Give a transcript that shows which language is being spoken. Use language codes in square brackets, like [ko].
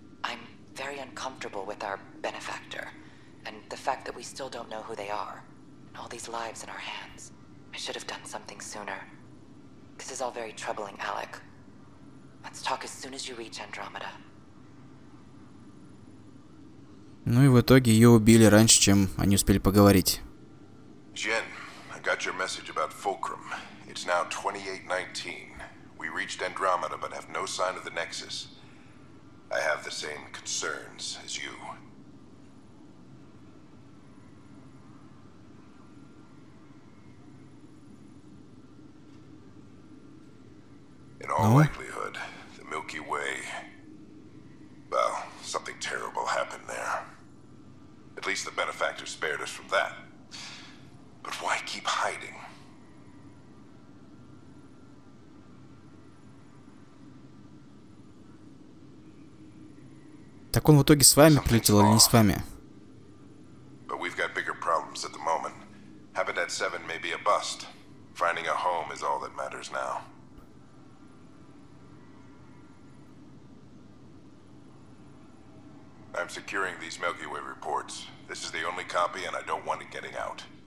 [en] I'm very uncomfortable with our benefactor, and the fact that we still don't know who they are, and all these lives in our hands. I should have done something sooner. This is all very troubling, Alec. Let's talk as soon as you reach Andromeda. [ru] Ну и в итоге ее убили раньше, чем они успели поговорить. [en] Jen, I got your message about Fulcrum. It's now 2819. We reached Andromeda, but have no sign of the Nexus. I have the same concerns as you. In all likelihood, the Milky Way... Well, something terrible happened there. At least the benefactor spared us from that. But why keep hiding? Mm-hmm. [ru] Так он в итоге с вами прилетел или не с вами? [en] But we've got bigger problems at the moment. Habitat 7 may be a bust. Finding a home is all that matters now. I'm securing these Milky Way reports. This is the only copy, and I don't want it getting out.